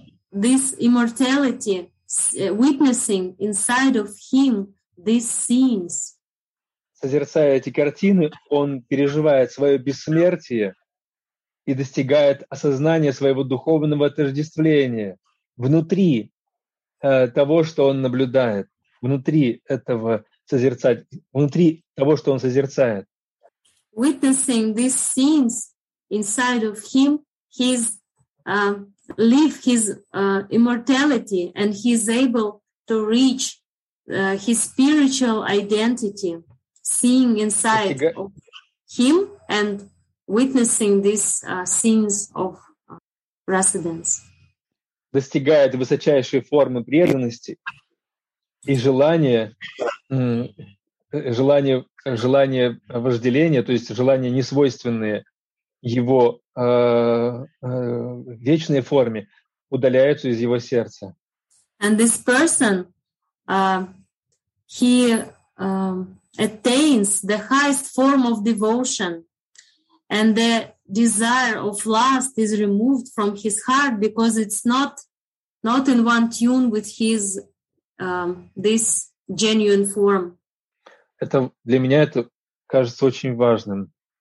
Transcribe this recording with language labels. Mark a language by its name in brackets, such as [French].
[English] This immortality, witnessing inside of him these scenes. [Russian] Созерцая эти картины, он переживает свое бессмертие и достигает осознания своего духовного отождествления внутри того, что он наблюдает, внутри того, что он созерцает. [English] Witnessing these scenes inside of him, he's live his immortality, and he's able to reach his spiritual identity, seeing inside of him and witnessing these scenes of residence. [Russian] Достигает высочайшей формы преданности и желания, желание вожделения, то есть желания, несвойственные его вечной форме, удаляются из его сердца. [English] And this person, he attains the highest form of devotion, and the desire of lust is removed from his heart because it's not in one tune with his this genuine form. [Russian] Это для меня это кажется очень важным.